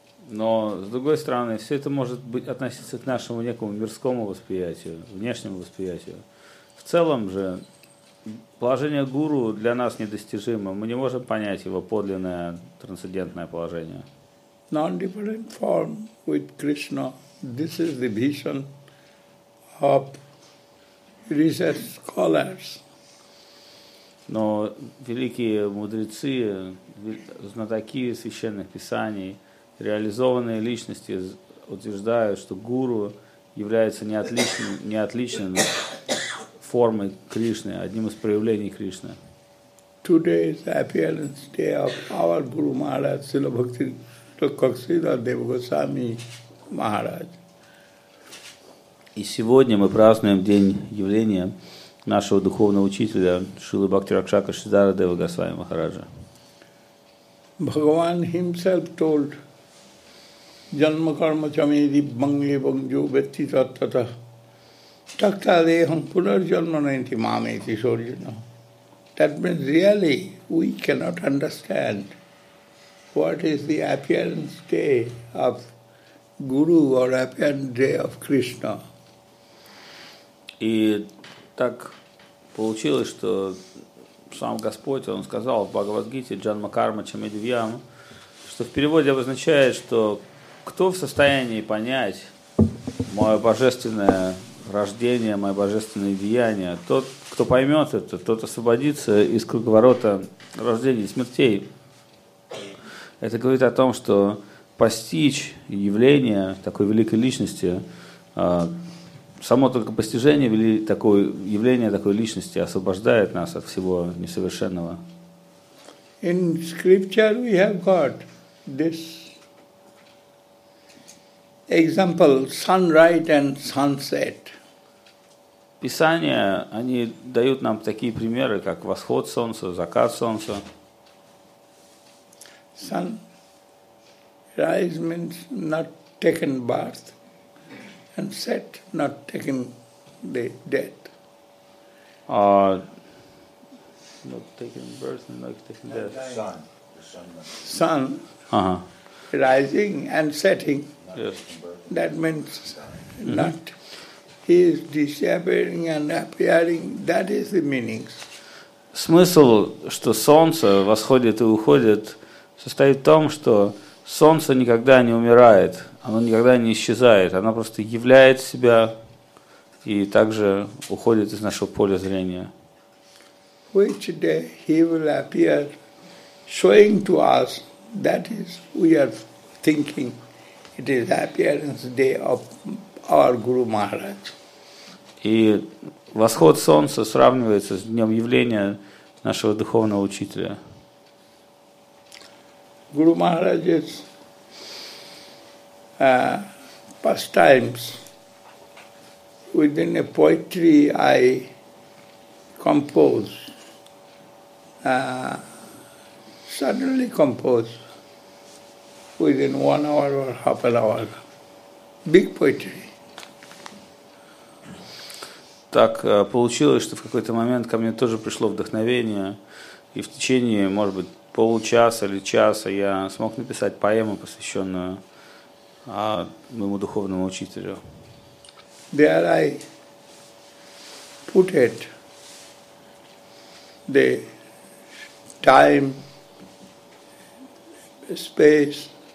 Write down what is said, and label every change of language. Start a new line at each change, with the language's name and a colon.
Russian: Но, с другой стороны, все это может быть относиться к нашему некому мирскому восприятию, внешнему восприятию. В целом же, положение гуру для нас недостижимо. Мы не можем понять его подлинное трансцендентное положение.
English: Non-different form with Krishna. This is the vision of recent scholars.
Russian: Но великие мудрецы, знатоки священных писаний, реализованные личности утверждают, что гуру является неотличным формой Кришны, одним из проявлений Кришны.
English: Today is appearance day of our Guru Maharaj, Srila Bhakti Taksila Deva Goswami Maharaj.
Russian: И сегодня мы празднуем день явления нашего духовного учителя Шрилы Бхакти Ракшака Шридхара Дева Госвами Махараджа.
Sanskrit: Бхагаван
English: himself told
Sanskrit: Janma karma chame dibbange bangjo vetti tattata takta deham punar janma nainti mame iti sorjuna.
English: That means really we cannot understand what is the appearance day of Guru or appearance day of Krishna.
Russian: И так получилось, что сам Господь, Он сказал в Бхагавадгите
Sanskrit: Janma karma chame divyam,
Russian: что в переводе обозначает, что кто в состоянии понять мое божественное рождение, мое божественное деяние? Тот, кто поймет это, тот освободится из круговорота рождения и смертей. Это говорит о том, что постичь явление такой великой личности, само только постижение такого явления такой личности освобождает нас от всего несовершенного.
English: In scripture we have got this example, sunrise and sunset.
Russian: Писания, они дают нам такие примеры, как восход солнца, закат солнца.
English: Sunrise means not taken birth, and set not taken the death. Not taken birth and not taken death. Sun. Sun. Rising and setting. Yes. That means not. He is disappearing and appearing. That is the meaning.
Russian: Смысл, что солнце восходит и уходит, состоит в том, что солнце никогда не умирает, оно никогда не исчезает, оно просто являет себя и также уходит из нашего поля зрения.
English: Which day he will appear, showing to us, that is we are thinking. It is appearance day of our Guru Maharaj.
Russian: И восход солнца сравнивается с днем явления нашего духовного учителя.
English: Guru Maharaj is pastimes within a poetry I compose, suddenly compose. Within 1 hour or half an hour, big poetry.
Russian: Так получилось, что в какой-то момент ко мне тоже пришло вдохновение, и в течение, может быть, получаса или часа я смог написать поэму, посвященную моему духовному учителю.
English: There I put it. The time, space.